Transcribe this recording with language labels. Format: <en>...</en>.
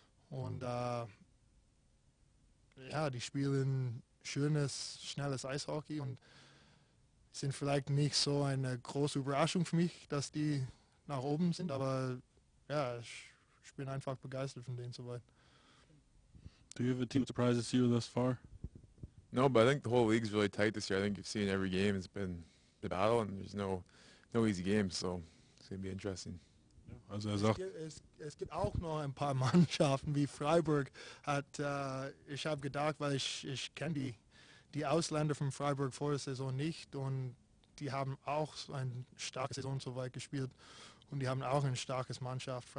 <de>Und ja, die spielen schönes, schnelles Eishockey und sind vielleicht nicht so eine große Überraschung für mich, dass die nach oben sind, aber ja, ich bin einfach begeistert von denen soweit.</de> <en>Do you have a team that surprises you thus far? No, but I think the whole league is really tight this year. I think you've seen every game, it's been the battle, and there's no easy game, so it's going to be interesting.</en> <de>Also er sagt, es gibt auch noch ein paar Mannschaften, wie Freiburg hat, ich habe gedacht, weil ich kenne die Ausländer von Freiburg vor der Saison nicht, und die haben auch eine starke Saison soweit gespielt, und die haben auch eine starke Mannschaft.</de>